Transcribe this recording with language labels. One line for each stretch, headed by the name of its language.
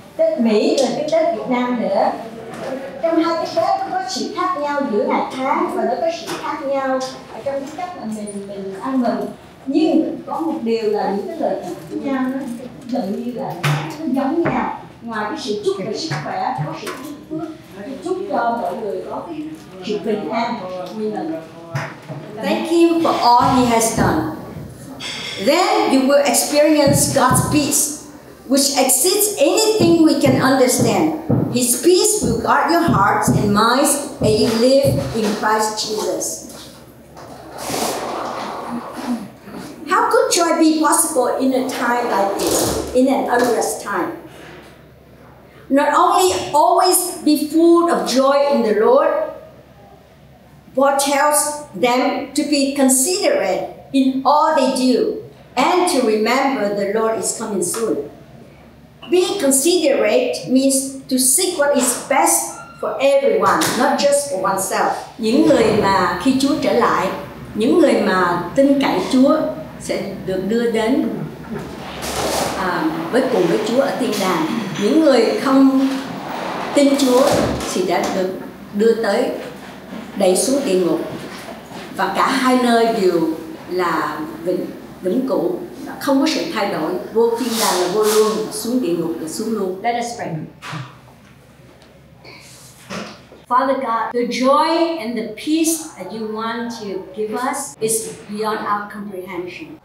Vietnamese: Tết Mỹ và cái Tết Việt Nam nữa. Trong hai cái Tết nó có sự khác nhau giữa ngày tháng và nó có sự khác nhau ở trong cái cách mà mình ăn mừng. Nhưng có một điều là những cái lời chúc với nhau nó gần như là nó giống nhau. Ngoài cái sự chúc về sức khỏe, có sự chúc phước, chúc cho mọi người có cái sự bình an vui mừng.
English: Thank him for all he has done. Then you will experience God's peace, which exceeds anything we can understand. His peace will guard your hearts and minds as you live in Christ Jesus. How could joy be possible in a time like this, in an unrest time? Not only always be full of joy in the Lord, Paul tells them to be considerate in all they do and to remember the Lord is coming soon. Being considerate means to seek what is best for everyone, not just for oneself.
Vietnamese: Những người mà khi Chúa trở lại, những người mà tin cậy Chúa sẽ được đưa đến với cùng với Chúa ở thiên đàng. Những người không tin Chúa thì đã được đưa tới đẩy xuống địa ngục, và cả hai nơi đều là vĩnh cửu, không có sự thay đổi, vô thiên đàng là vô luôn, xuống địa ngục là xuống luôn.
English: Let us pray. Father God, the joy and the peace that you want to give us is beyond our comprehension.